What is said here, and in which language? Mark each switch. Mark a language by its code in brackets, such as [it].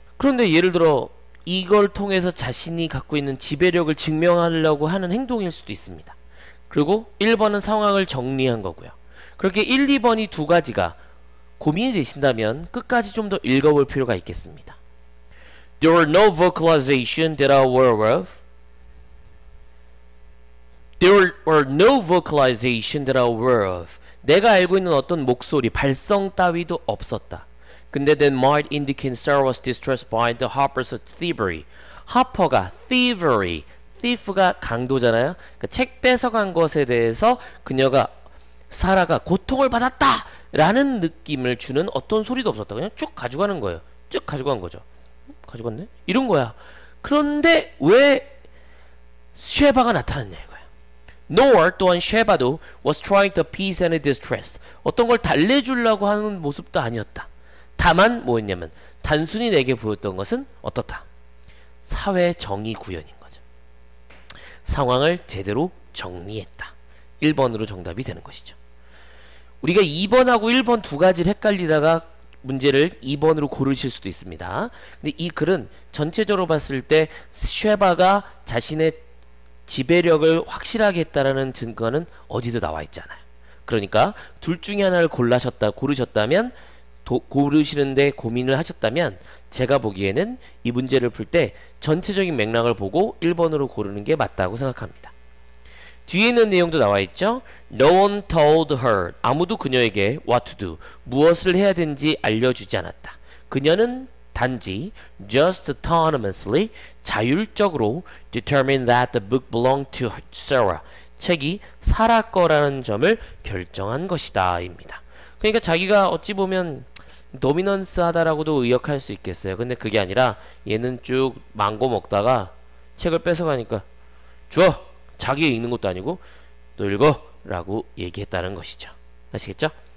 [ko] 그런데 예를 들어 이걸 통해서 자신이 갖고 있는 지배력을 증명하려고 하는 행동일 수도 있습니다. 그리고 1번은 상황을 정리한 거고요. 그렇게 1, 2번이 두 가지가 고민이 되신다면 끝까지 좀더 읽어볼 필요가 있겠습니다. [en] There were no vocalization that I was aware of. There were no vocalization that I was aware of. [ko] 내가 알고 있는 어떤 목소리, 발성 따위도 없었다. 근데 [en] that might indicate Sarah was distressed by the Harper's thievery. Harper가 thievery. [ko] thief가 강도잖아요. 그러니까 책 뺏어간 것에 대해서 그녀가 사라가 고통을 받았다라는 느낌을 주는 어떤 소리도 없었다. 그냥 쭉 가져가는 거예요. 쭉 가져간 거죠. 가져갔네? 이런 거야. 그런데 왜 쉐바가 나타났냐 이거야. [en] Nor [ko] 또한 쉐바도 [en] was trying to appease any distress. [ko] 어떤 걸 달래주려고 하는 모습도 아니었다. 다만 뭐였냐면 단순히 내게 보였던 것은 어떻다. 사회 정의 구현인. 상황을 제대로 정리했다. 1번으로 정답이 되는 것이죠. 우리가 2번하고 1번 두 가지를 헷갈리다가 문제를 2번으로 고르실 수도 있습니다. 근데 이 글은 전체적으로 봤을 때 쉐바가 자신의 지배력을 확실하게 했다라는 증거는 어디도 나와 있잖아요. 그러니까 둘 중에 하나를 고르셨다면 고르시는데 고민을 하셨다면 제가 보기에는 이 문제를 풀때 전체적인 맥락을 보고 1번으로 고르는 게 맞다고 생각합니다. 뒤에 있는 내용도 나와 있죠? [en] No one told her. [ko] 아무도 그녀에게 [en] what to do. [ko] 무엇을 해야 되는지 알려주지 않았다. 그녀는 단지 [en] just autonomously, [ko] 자율적으로 [en] determined that the book belonged to Sarah. [ko] 책이 사라 거라는 점을 결정한 것이다. 입니다. 그러니까 자기가 어찌 보면 도미넌스하다라고도 의역할 수 있겠어요. 근데 그게 아니라 얘는 쭉 망고 먹다가 책을 뺏어가니까 줘! 자기 읽는 것도 아니고 너 읽어! 라고 얘기했다는 것이죠. 아시겠죠?